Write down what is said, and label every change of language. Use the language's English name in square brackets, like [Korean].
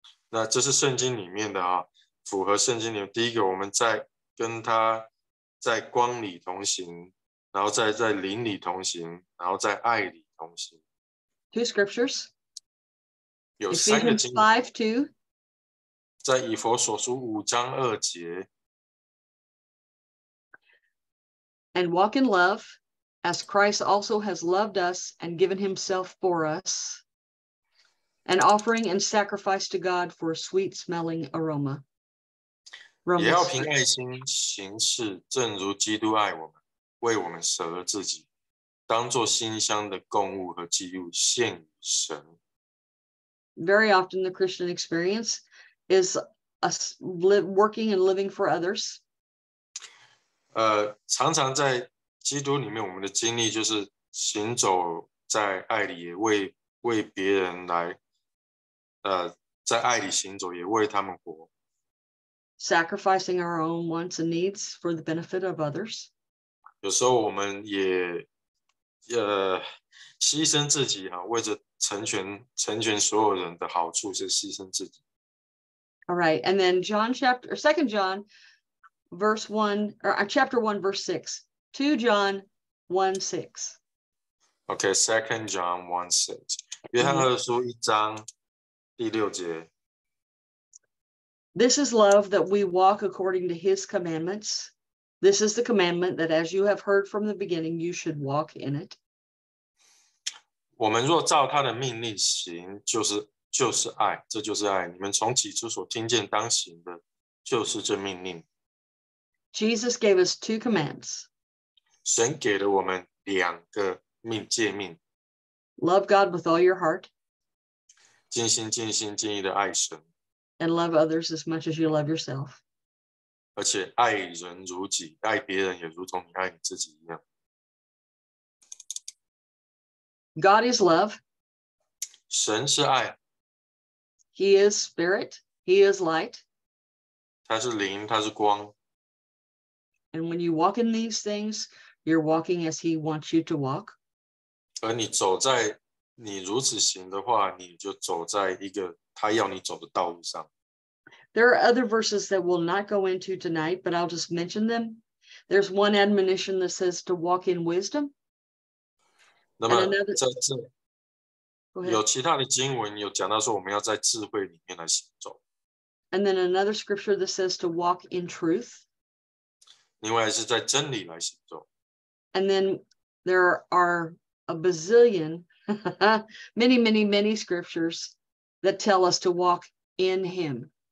[Chinese] 那这是圣经里面的啊，符合圣经里面。第一个，我们在跟他在光里同行，然后在灵里同行，然后在爱里同行。 [English] Two scriptures. [Chinese] 有三个经。 5:2. 在以弗所书5:2. [English] And walk in love, as Christ also has loved us and given himself for us, an offering and sacrifice to God for a sweet-smelling aroma. [Chinese] 也要凭爱心行事，正如基督爱我们，为我们舍了自己，当作馨香的供物和祭物献与神。 [English] Very often the Christian experience is working and living for others. [Chinese] 常常在基督里面，我们的经历就是行走在爱里，为别人来，在爱里行走，也为他们活。 [English] Sacrificing our own wants and needs for the benefit of others. [Chinese] 有时候我们也牺牲自己啊，为着成全所有人的好处，是牺牲自己。 [English] All right, and then John chapter 2 John. Verse 1, or chapter 1, verse 6. 2 John 1, 6. [Chinese] Okay, 2 John 1, 6. 约翰二书一章第六节。 [English] This is love, that we walk according to his commandments. This is the commandment that as you have heard from the beginning, you should walk in it. [Chinese] 我们若照他的命令行，就是爱，这就是爱。你们从起初所听见当行的，就是这命令。 [English] Jesus gave us two commands. [Chinese] 神给了我们两个诫命。 [English] Love God with all your heart. [Chinese] 尽心尽心尽意的爱神。 [English] And love others as much as you love yourself. [Chinese] 而且爱人如己，爱别人也如同你爱你自己一样。 [English] God is love. [Chinese] 神是爱。 [English] He is spirit. He is light. [Chinese] 他是灵，他是光。 [English] And when you walk in these things, you're walking as he wants you to walk. [Chinese] 而你走在你如此行的话，你就走在一个他要你走的道路上。 [English] There are other verses that we'll not go into tonight, but I'll just mention them. There's one admonition that says to walk in wisdom. [Chinese] 那么在这有其他的经文有讲到说我们要在智慧里面来行走。 [English] And then another scripture that says to walk in truth. [Chinese] 另外是在真理来行走。 [English] And then there are a bazillion, many, many, many scriptures that tell us to walk in him.